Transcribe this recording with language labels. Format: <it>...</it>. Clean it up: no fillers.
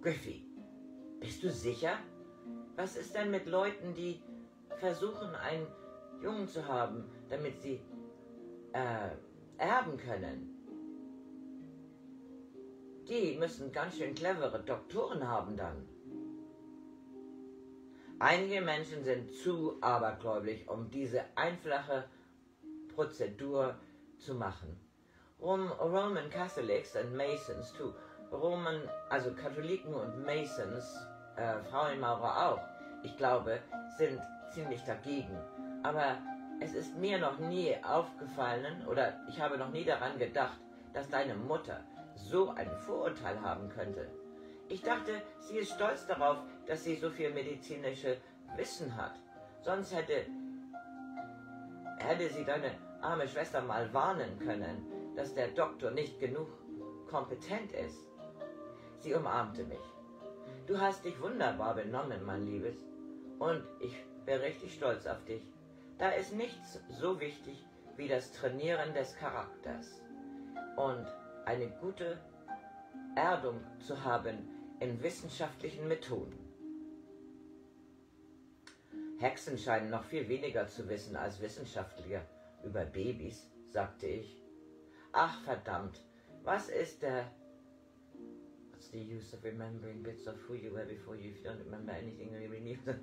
<de>Griffy, bist du sicher? Was ist denn mit Leuten, die versuchen, einen Jungen zu haben, damit sie erben können? Die müssen ganz schön clevere Doktoren haben dann. Einige Menschen sind zu abergläubig, um diese einfache Prozedur zu machen.</de> <en>Roman Catholics and Masons too.</en> <de>Roman, also Katholiken und Masons, Frauenmaurer auch, ich glaube, sind ziemlich dagegen. Aber es ist mir noch nie aufgefallen, oder ich habe noch nie daran gedacht, dass deine Mutter so ein Vorurteil haben könnte. Ich dachte, sie ist stolz darauf, dass sie so viel medizinische Wissen hat. Sonst hätte sie deine arme Schwester mal warnen können, dass der Doktor nicht genug kompetent ist. Sie umarmte mich. Du hast dich wunderbar benommen, mein Liebes. Und ich bin richtig stolz auf dich. Da ist nichts so wichtig wie das Trainieren des Charakters. Und eine gute Erdung zu haben in wissenschaftlichen Methoden. Hexen scheinen noch viel weniger zu wissen als Wissenschaftler über Babys, sagte ich. Ach verdammt, was ist der...</de> <en>What's the use of remembering bits of who you were before you don't remember anything you really need?</en>